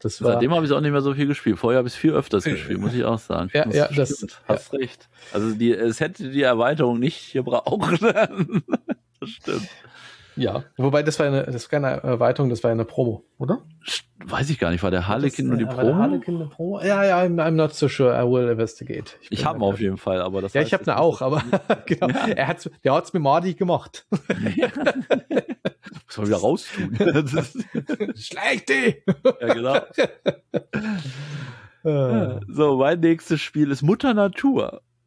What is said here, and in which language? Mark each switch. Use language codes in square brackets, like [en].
[de] Seitdem habe ich auch nicht mehr so viel gespielt. Vorher habe ich es viel öfters gespielt, muss ich auch sagen. Hast recht. Also es hätte die Erweiterung nicht gebraucht. Das stimmt. Ja, wobei das war keine Erweiterung, das war eine Promo, oder? Weiß ich gar nicht, war der Harlekin nur die Promo? War der Harlekin eine Promo? [en] Ja, I'm not so sure, I will investigate. [de] Ich habe ihn auf jeden Fall, aber das ja, heißt, ich habe ihn auch, aber genau, ja. Der hat es mit Mordi gemacht. Ja. Muss man wieder raus tun. Schlechte! Ja, genau. So, mein nächstes Spiel ist Mutter Natur.